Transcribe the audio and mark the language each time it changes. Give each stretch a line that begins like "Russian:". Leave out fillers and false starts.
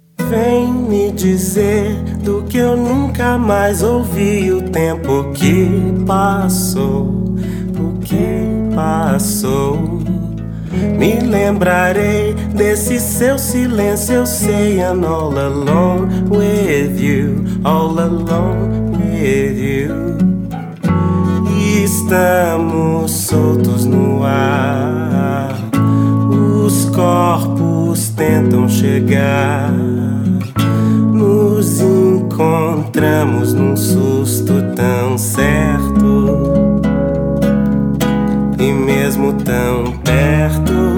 Portuguese: Vem me dizer do que eu nunca mais ouvi. O tempo que passou, o que passou. Me lembrarei desse seu silêncio. Eu sei
English: I'm all alone with you, all alone with you.
Portuguese: Estamos soltos no ar, os corpos tentam chegar. Nos encontramos num susto tão certo e mesmo tão perto.